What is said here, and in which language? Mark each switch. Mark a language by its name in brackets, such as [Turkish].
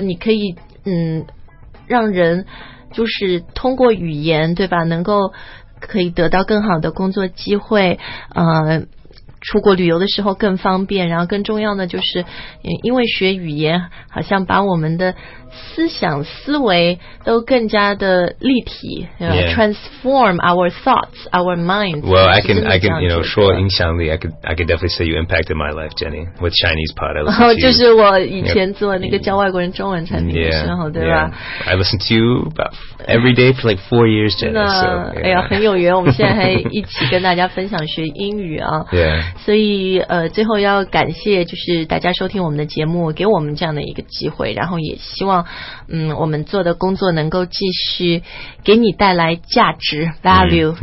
[Chinese] 你可以让人就是通过语言对吧，能够。可以得到更好的工作机会，出国旅游的时候更方便，然后更重要的就是，因为学语言，好像把我们的思想思维都更加的立体、 [English] yeah. transform our thoughts, our minds. Well, I can, you know, [Chinese] 说影响力 [English] I could definitely say you impacted my life, Jenny, with Chinese pod. I listen to you. [Chinese] 就是我以前做那个教外国人中文产品的时候 [English] yeah, [Chinese] 对吧 [English] I listen to you about every day for like 4 years, Jenny. [Chinese] 那、 [English] so, yeah. [Chinese] 哎呀很有缘，我们现在还一起跟大家分享学英语啊。 [English] yeah. [Chinese] 所以最后要感谢就是大家收听我们的节目，给我们这样的一个机会，然后也希望我们做的工作能够继续给你带来价值 value、